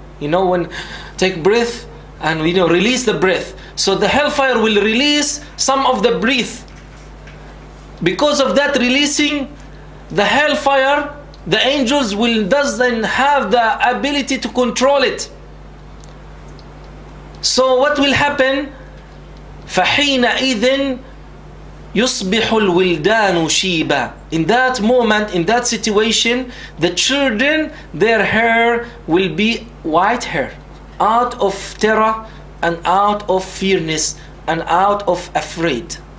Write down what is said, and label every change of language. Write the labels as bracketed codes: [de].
[en] You know, when take breath and you know release the breath. So the hellfire will release some of the breath. Because of that releasing, the hellfire, the angels will doesn't have the ability to control it. So what will happen? [ar] فَحِينَ إِذٍ يُصْبِحُ الْوِلْدَانُ شِيبًا. [en] In that moment, in that situation, the children, their hair will be white hair, out of terror and out of fearness and out of afraid.